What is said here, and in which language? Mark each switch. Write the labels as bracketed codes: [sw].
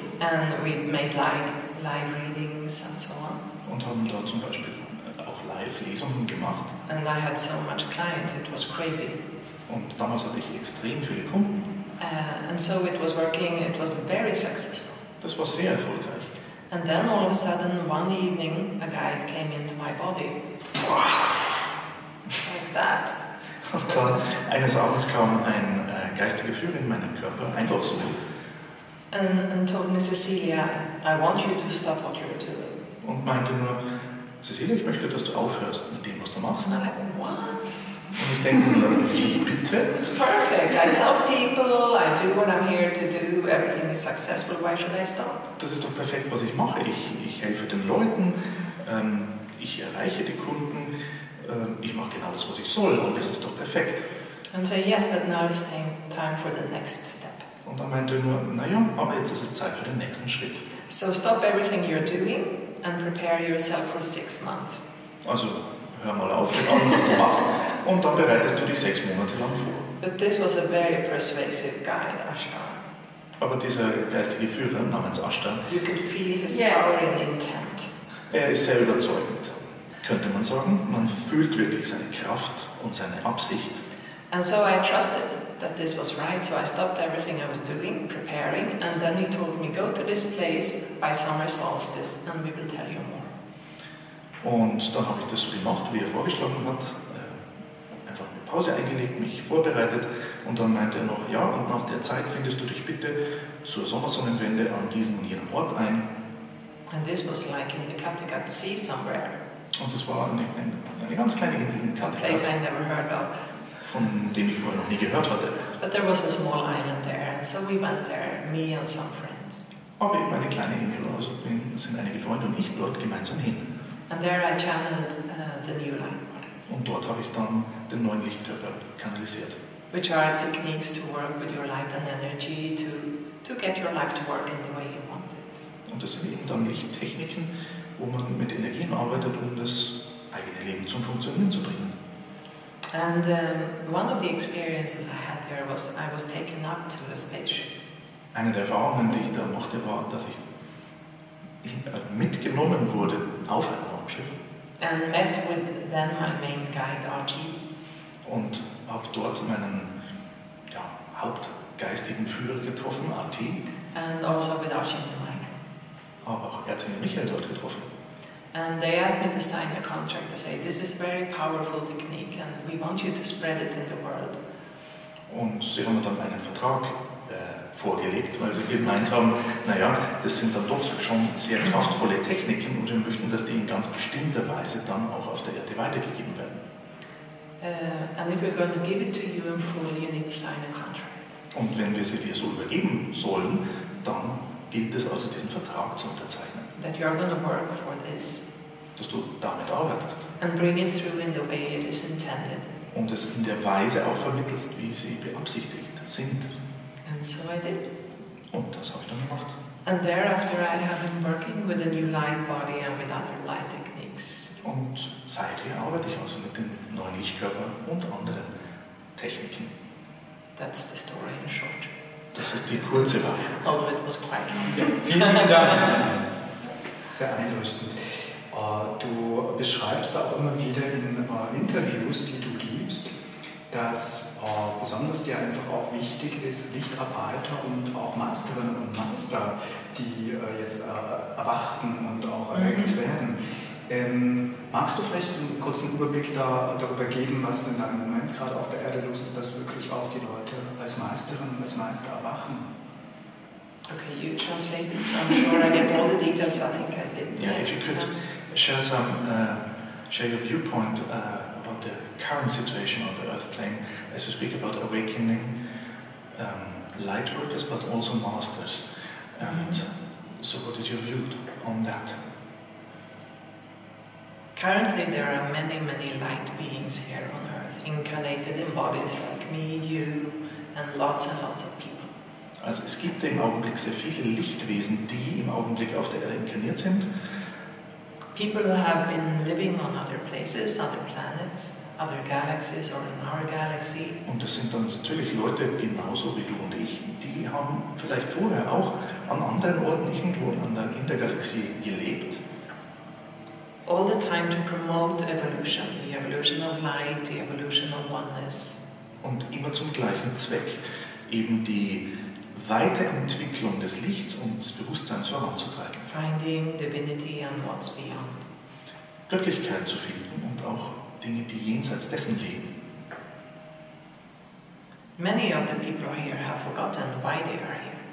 [en] And we made live readings and so on. [de] Und haben da zum Beispiel auch Live-Lesungen gemacht. [en] And I had so much client, it was crazy. [de] Und damals hatte ich extrem viele Kunden. [en] And so it was working, it was very successful. [de] Das war sehr erfolgreich. [en] And then all of a sudden, one evening, a guy came into my body. Like that. [de] Und dann eines Abends kam ein geistiger Führer in meinen Körper, einfach so. [en] And told me, Cecilia, I want you to stop what you're doing. [de] Und meinte nur, Cecilia, ich möchte, dass du aufhörst mit dem, was du machst. [en] And I'm like, what? [de] Und ich denke mir, wie bitte? [en] It's perfect. I help people, I do what I'm here to do, everything is successful, why should I stop? [de] Das ist doch perfekt, was ich mache. Ich helfe den Leuten, ich erreiche die Kunden, ich mache genau das, was ich soll, und das ist doch perfekt. [en] And say, yes, but now it's time for the next step. [de] Und dann meinte er nur, naja, aber jetzt ist es Zeit für den nächsten Schritt. [en] So stop everything you're doing and prepare yourself for 6 months. [de] Also, hör mal auf, den Augen, was du machst. Und dann bereitest du dich 6 Monate lang vor. [en] But this was a very persuasive guy, Ashtar. [de] Aber dieser geistige Führer namens Ashtar, [en] you could feel his power and intent. [de] Er ist sehr überzeugend, könnte man sagen. Man fühlt wirklich seine Kraft und seine Absicht. [en] And so I trusted that this was right, so I stopped everything I was doing, preparing, and then he told me, go to this place by summer solstice and we will tell you more. [de] Und dann habe ich das so gemacht, wie er vorgeschlagen hat. Pause eingelegt, mich vorbereitet und dann meinte er noch, ja, und nach der Zeit findest du dich bitte zur Sommersonnenwende an diesem und jenem Ort ein. [en] And this was like in the Kattegat Sea somewhere. [de] Und das war eine ganz kleine Insel in Kattegat. [en] A place I never heard of. [de] Von dem ich vorher noch nie gehört hatte. [en] But there was a small island there, and so we went there, me and some friends. [de] Aber eben eine kleine Insel, also sind einige Freunde und ich dort gemeinsam hin. [en] And there I channeled the new light. [de] Und dort habe ich dann den neuen Lichtkörper kanalisiert. [en] Which are techniques to work with your light and energy to get your life to work in the way you want it. [de] Und das sind eben dann Lichttechniken, wo man mit Energien arbeitet, um das eigene Leben zum Funktionieren zu bringen. [en] And one of the experiences I had there was I was taken up to a spaceship. [de] Eine der Erfahrungen, die ich da machte, war, dass ich mitgenommen wurde auf ein Raumschiff. [en] And met with then my main guide, Archie. [de] Und hab dort meinen hauptgeistigen Führer getroffen, Archie. [en] And also with Archie and Mike. [de] Hab auch Erzengel Michael dort getroffen. [en] And they asked me to sign a contract. They say, this is a very powerful technique and we want you to spread it in the world. [de] Und sie haben mir dann meinen Vertrag vorgelegt, weil sie gemeint haben, naja, das sind dann doch schon sehr kraftvolle Techniken und wir möchten, dass die in ganz bestimmter Weise dann auch auf der Erde weitergegeben werden. [en] And if we're going to give it to you in full, you need to sign a contract. [de] Und wenn wir sie dir so übergeben sollen, dann gilt es also, diesen Vertrag zu unterzeichnen. [en] That you're going to work for this. [de] Dass du damit arbeitest. [en] And bring it through in the way it is intended. [de] Und es in der Weise auch vermittelst, wie sie beabsichtigt sind. [en] And so I did. [de] Und das habe ich dann gemacht. [en] And thereafter I have been working with a new light body and with other light techniques. [de] Und seither arbeite ich also mit dem neuen Lichtkörper und anderen Techniken. [en] That's the story in short. [de] Das ist die kurze Variante. [en] Although it was quite long. [de] Ja, vielen Dank. Sehr einleuchtend. Du beschreibst auch immer wieder in Interviews, die du gibst, dass besonders dir einfach auch wichtig ist, Lichtarbeiter und auch Meisterinnen und Meister, die jetzt erwachten und auch erweckt werden, Magst du vielleicht einen kurzen Überblick darüber geben, was denn da im Moment gerade auf der Erde los ist, dass wirklich auch die Leute als Meisterin und als Meister erwachen? [en] Okay, you translate it, so I'm sure I get all the details. I think I did. Yeah, if you could share some, share your viewpoint about the current situation of the Earth plane, as you speak about awakening light workers, but also masters. And so what is your view on that? Currently there are many, many light beings here on Earth, incarnated in bodies like me, you, and lots of people. [de] Also es gibt im Augenblick sehr viele Lichtwesen, die im Augenblick auf der Erde inkarniert sind. [en] People who have been living on other places, other planets, other galaxies or in our galaxy. [de] Und das sind dann natürlich Leute genauso wie du und ich, die haben vielleicht vorher auch an anderen Orten irgendwo in der Galaxie gelebt. [en] All the time to promote evolution, the evolution of light, the evolution of oneness. [de] Und immer zum gleichen Zweck, eben die Weiterentwicklung des Lichts und des Bewusstseins voranzutreiben. [en] Finding divinity and what's beyond. [de] Göttlichkeit zu finden und auch Dinge, die jenseits dessen leben. [en] Many of the people here have forgotten why they are here.